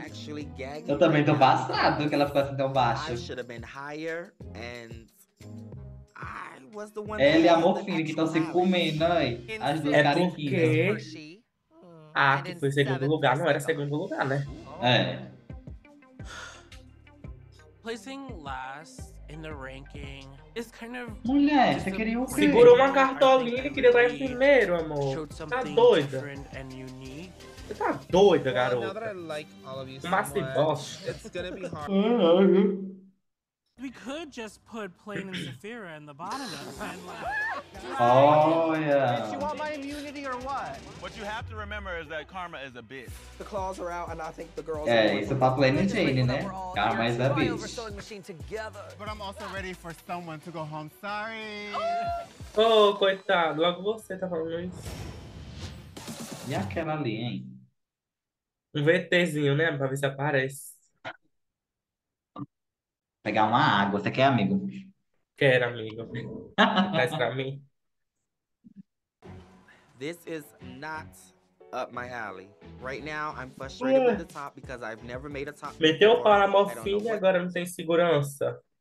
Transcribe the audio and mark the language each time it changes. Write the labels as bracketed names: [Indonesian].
[Portuguese] Actually, eu também tô passado que ela ficou assim tão baixo. [English] I should have been higher and I was the one. [Portuguese] Ele e a Morfina que estão se comendo, né? As duas carinhas. Ah, que foi segundo lugar, não era segundo lugar, né? É. [English] Placing last in the ranking is kind of. [Portuguese] Mulher, você queria o quê? Segurou uma cartolina e queria estar em primeiro, amor. Tá doida? Você tá doida, garoto? Massa e bosta. [English] We could just put Plain and Safira in the bottom of the pen. Oh, yeah. Did you want my immunity or what? What you have to remember is that karma is a bitch. The claws are out, and I think the girls are it's about Plain and Jane, isn't it? Karma is a bitch. Machine together. But I'm also ready for someone to go home. Sorry. [Portuguese] Oh, coitado. Logo você tá falando isso. E aquela ali, hein? VTzinho, né? Pra ver se aparece. Pegar uma água. Você quer, amigo? Quero, amigo. Traz pra mim. [English] This is not up my alley. Right now, I'm frustrated with the top because I've never made a top. [Portuguese] Meteu o pau na Morfina e agora não tem segurança.